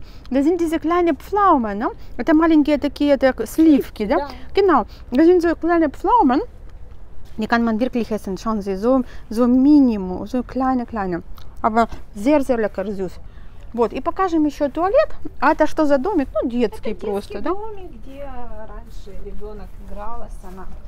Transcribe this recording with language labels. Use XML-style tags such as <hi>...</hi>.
<de>Das sind diese kleinen Pflaumen, ne?</de> <ru>Это маленькие такие, так, сливки, да?</ru> <de>Genau, das sind so kleine Pflaumen. Die kann man wirklich essen, schauen Sie, so minimum, so kleine. Aber sehr, sehr lecker, süß.</de> <ru>Вот, и покажем еще туалет. А это что за домик? Ну, детский просто, да? Это детский домик, где раньше ребенок играла, она.</ru>